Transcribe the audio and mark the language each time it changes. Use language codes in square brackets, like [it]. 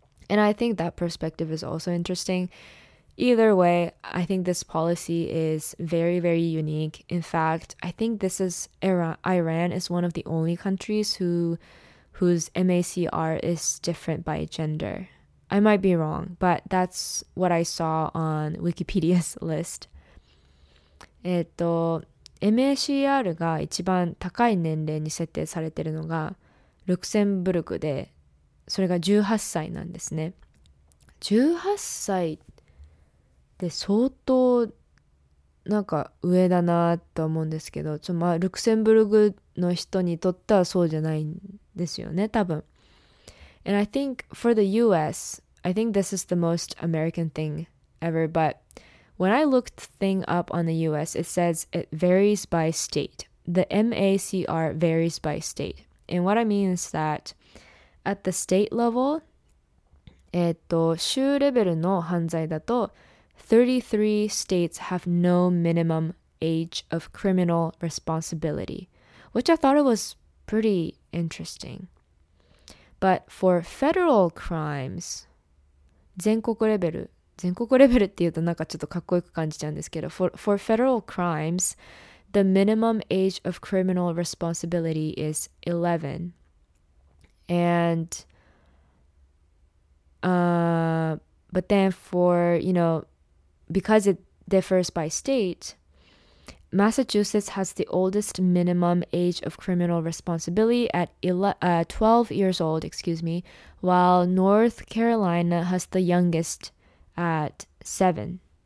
[en] And I think that perspective is also interesting. Either way, I think this policy is very, very unique. In fact, I think this is Iran is one of the only countries whose MACR is different by gender. I might be wrong, but that's what I saw on Wikipedia's list. [ja] MACR が一番高い年齢に設定されているのがルクセンブルクで、それが18歳なんですね。 18歳って相当なんか上だなと思うんですけど、ちょっとまあルクセンブルクの人にとってはそうじゃないんですよね、多分。 [en] And I think for the US, I think this is the most American thing ever, butWhen I looked thing up on the US, it says it varies by state. The MACR varies by state. And what I mean is that at the state level, [ja] 州レベルの犯罪だと [en] 33 states have no minimum age of criminal responsibility, which I thought it was pretty interesting. But for federal crimes, [ja] 全国レベル全国レベルっていうとなんかちょっとかっこよく感じちゃうんですけど、 [en] for federal crimes, the minimum age of criminal responsibility is 11. And, but then for, you know, because it differs by state, Massachusetts has the oldest minimum age of criminal responsibility at 12 years old, excuse me, while North Carolina has the youngest at 7,